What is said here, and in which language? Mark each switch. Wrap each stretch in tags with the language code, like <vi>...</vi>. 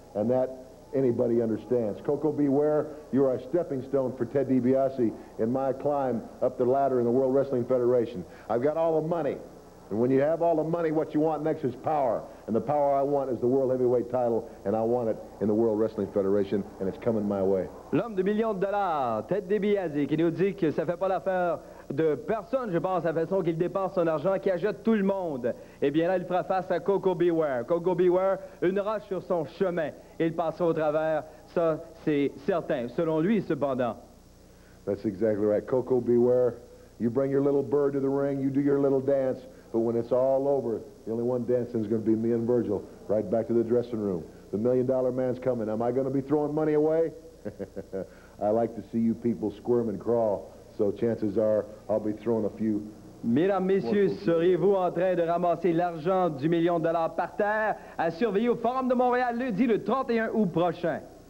<en>And that anybody understands. Coco, beware. You are a stepping stone for Ted DiBiase in my climb up the ladder in the World Wrestling Federation. I've got all the money. And when you have all the money, what you want next is power. And the power I want is the World Heavyweight title, and I want it in the World Wrestling Federation, and it's coming my way.</en> <fr>L'homme de millions de dollars, Ted DiBiase, qui nous dit que ça fait pas l'affaire de personne, je pense, la façon qu'il dépense son argent, qui achète tout le monde. Eh bien là, il fera face à Coco Beware. Coco Beware, une roche sur son chemin. Il passera au travers, ça, c'est certain, selon lui, cependant.</fr> <en>That's exactly right. Coco Beware You bring your little bird to the ring, you do your little dance, but when it's all over, the only one dancing is going to be me and Virgil, right back to the dressing room. The million-dollar man's coming. Am I going to be throwing money away? I like to see you people squirm and crawl, so chances are I'll be throwing a few.</en> <fr>Mesdames, messieurs, seriez-vous en train de ramasser l'argent du million de dollars par terre à surveiller au Forum de Montréal lundi le 31 août prochain?</fr>